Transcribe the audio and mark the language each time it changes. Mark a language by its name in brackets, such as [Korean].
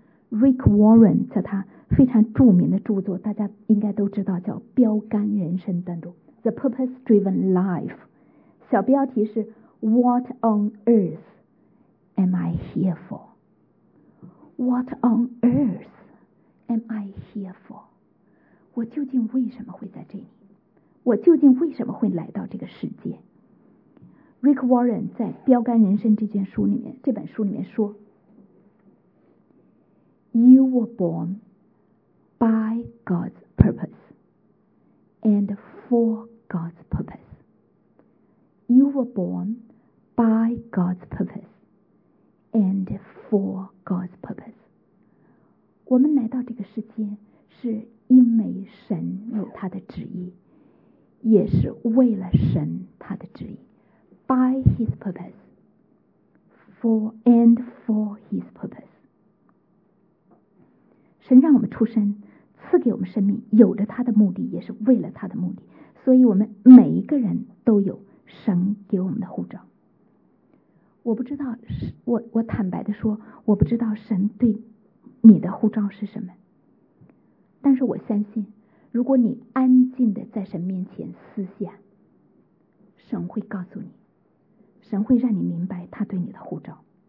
[Chinese] Rick Warren 在他非常著名的著作，大家应该都知道，叫《标杆人生》当中 The Purpose Driven Life，小标题是 [English] What on earth am I here for? What on earth am I here for? [Chinese] 我究竟为什么会在这里？我究竟为什么会来到这个世界？ [English] Rick Warren [Chinese] 在《标杆人生》这本书里面说， [English] You were born by God's purpose and for God's purpose. You were born by God's purpose and for God's purpose. [Chinese] 我们来到这个世界是因为神有他的旨意，也是为了神他的旨意。 [English] By His purpose, for and for His purpose. [Chinese] 神让我们出生，赐给我们生命，有着他的目的，也是为了他的目的。所以我们每一个人都有神给我们的护照。我不知道，我坦白的说，我不知道神对你的护照是什么，但是我相信，如果你安静的在神面前思想，神会告诉你，神会让你明白他对你的护照。